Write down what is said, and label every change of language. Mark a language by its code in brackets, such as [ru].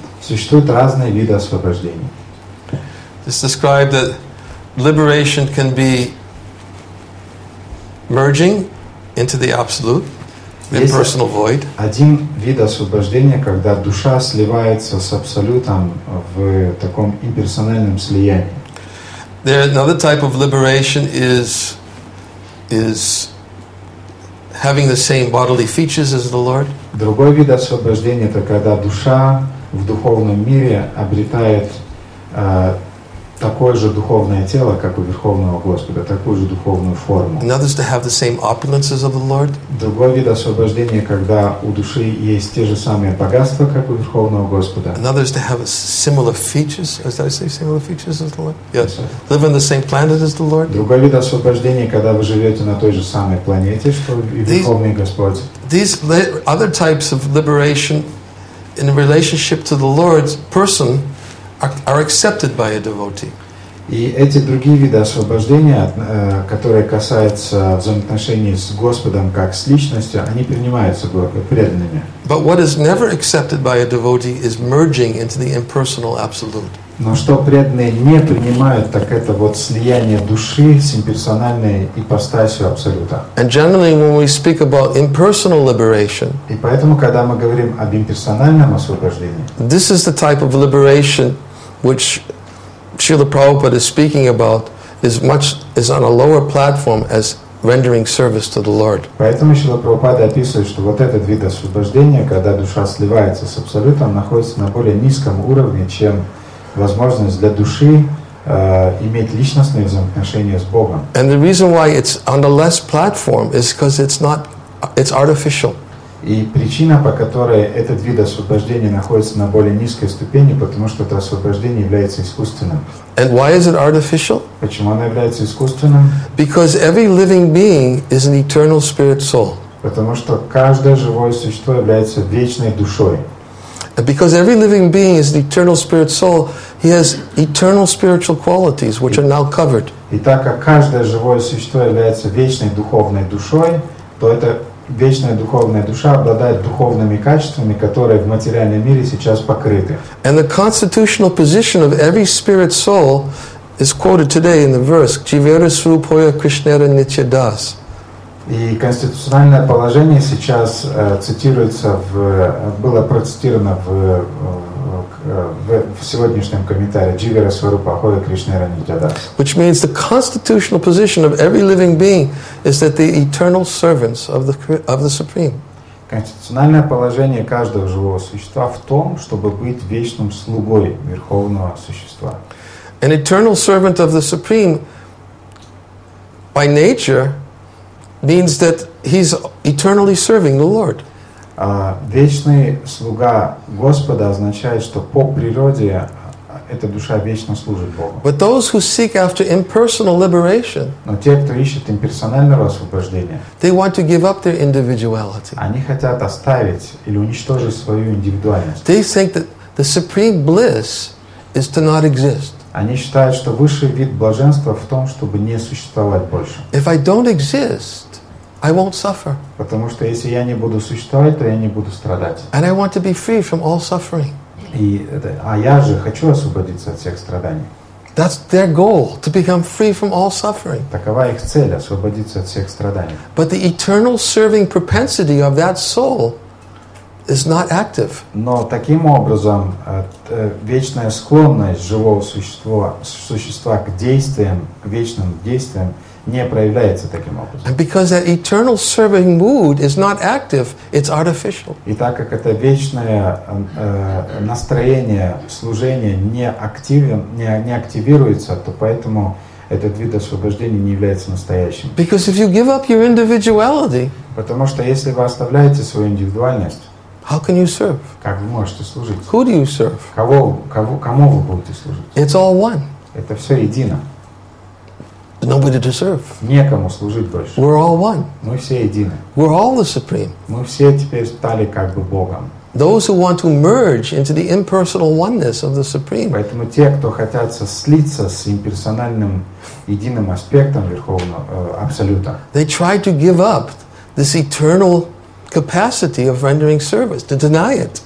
[ru] Существуют разные виды освобождения. [en] It's described that liberation can be merging into the absolute, the impersonal void. [ru] Один вид освобождения, когда душа сливается с абсолютом в таком имперсональном слиянии. [en] There another type of liberation is having the same bodily features as the Lord. [ru] Другой вид освобождения это когда душа в духовном мире обретает такое же духовное тело, как у Верховного Господа, такую же духовную форму. [en] Another is to have the same opulences of the Lord. [ru] Другой вид освобождения, когда у души есть те же самые богатства, как у Верховного Господа. [en] Another is to have similar features, as I say, similar features as the Lord. Yes. Live on the same planet as the Lord. [ru] Другой вид освобождения, когда вы живете на той же самой планете, что и Верховный Господь. [en] These other types of liberation in relationship to the Lord's person are accepted by a devotee. [ru] И эти другие виды освобождения, которые касаются взаимоотношений с Господом как с личностью, они принимаются преданными. [en] But what is never accepted by a devotee is merging into the impersonal absolute. [ru] Но что преданные не принимают, так это вот слияние души с имперсональной ипостасью Абсолюта. [en] And generally, when we speak about impersonal liberation, [ru] и поэтому, когда мы говорим об имперсональном освобождении, [en] this is the type of liberation which Srila Prabhupada is speaking about is on a lower platform as rendering service to the Lord. [ru] Поэтому Шрила Прабхупада описывает, что вот этот вид освобождения, когда душа сливается с Абсолютом, находится на более низком уровне, чем возможность для души иметь личностные взаимоотношения с Богом. [en] And the reason why it's on the less platform is because it's artificial. [ru] И причина, по которой этот вид освобождения находится на более низкой ступени, потому что это освобождение является искусственным. [en] And why is it artificial? [ru] Почему оно является искусственным? [en] Because every living being is an eternal spirit soul. [ru] Потому что каждое живое существо является вечной душой. [en] And because every living being is an eternal spirit soul, he has eternal spiritual qualities, which are now covered. [ru] И так как каждое живое существо является вечной духовной душой, то это вечная духовная душа обладает духовными качествами, которые в материальном мире сейчас покрыты. [en] And the constitutional position of every spirit soul is quoted today in the verse [bn] Jivera Srupoya Krishnera Nitya Das. [ru] И конституциональное положение сейчас цитируется в, было процитировано в сегодняшнем комментарии [bn] Jivera Srupoya Krishnera Nitya Das. [en] Which means the constitutional position of every living being is that they are eternal servants of the Supreme. [ru] Конституциональное положение каждого живого существа в том, чтобы быть вечным слугой Верховного Существа. [en] An eternal servant of the Supreme by nature means that he's eternally serving the Lord. [ru] Вечный слуга Господа означает, что по природе эта душа вечно служит Богу. [en] But those who seek after impersonal liberation, [ru] но те, кто ищет имперсонального освобождения, [en] they want to give up their individuality. [ru] Они хотят оставить или уничтожить свою индивидуальность. [en] They think that the supreme bliss is to not exist. [ru] Они считают, что высший вид блаженства в том, чтобы не существовать больше. [en] If I don't exist, I won't suffer. [ru] Потому что если я не буду существовать, то я не буду страдать. [en] And I want to be free from all suffering. [ru] А я же хочу освободиться от всех страданий. [en] That's their goal, to become free from all suffering. [ru] Такова их цель, освободиться от всех страданий. [en] But the eternal serving propensity of that soul is not active. [ru] Но таким образом, вечная склонность живого существа к действиям, к вечным действиям, не проявляется таким образом. [en] And because that eternal serving mood is not active, it's artificial. [ru] И так как это вечное настроение служения не активируется, то поэтому этот вид освобождения не является настоящим. [en] Because if you give up your individuality, [ru] потому что если вы оставляете свою индивидуальность, [en] how can you serve? [ru] Как вы можете служить? [en] Who do you serve? [ru] Кому вы будете служить? [en] It's all one. [ru] Это все едино. [en] Nobody to serve. [ru] Некому служить больше. [en] We're all one. [ru] Мы все едины. [en] We're all the supreme. [ru] Мы все теперь стали как бы Богом. [en] Those who want to merge into the impersonal oneness of the supreme. [ru] Поэтому те, кто хотят слиться с имперсональным единым аспектом Верховного Абсолюта. [en] They try to give up this eternal capacity of rendering service, to deny it.